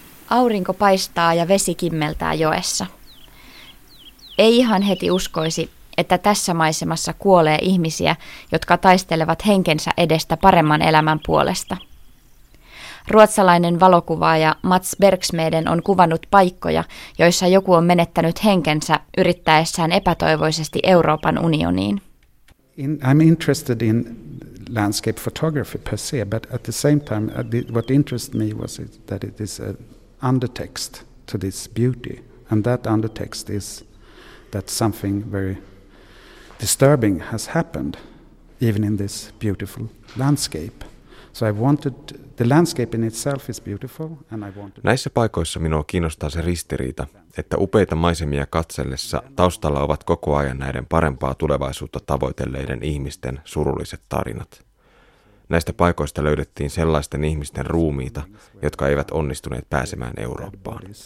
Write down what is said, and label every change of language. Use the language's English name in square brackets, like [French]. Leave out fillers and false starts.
[Finnish] Aurinko paistaa ja vesi kimmeltää joessa. Ei ihan heti uskoisi, että tässä maisemassa kuolee ihmisiä, jotka taistelevat henkensä edestä paremman elämän puolesta. Ruotsalainen valokuvaaja Mats Bergsmeden on kuvannut paikkoja, joissa joku on menettänyt henkensä yrittäessään epätoivoisesti Euroopan unioniin. [English] I'm interested in landscape photography per se, but at the same time what interests me was that it is an undertext to this beauty, and that undertext is that something very disturbing has happened even in this beautiful landscape. So I wanted the landscape in itself is beautiful and I wanted. [Finnish] Näissä paikoissa minua kiinnostaa se ristiriita, että upeita maisemia katsellessa taustalla ovat koko ajan näiden parempaa tulevaisuutta tavoitelleiden ihmisten surulliset tarinat. Näistä paikoista löydettiin sellaisten ihmisten ruumiita, jotka eivät onnistuneet pääsemään Eurooppaan.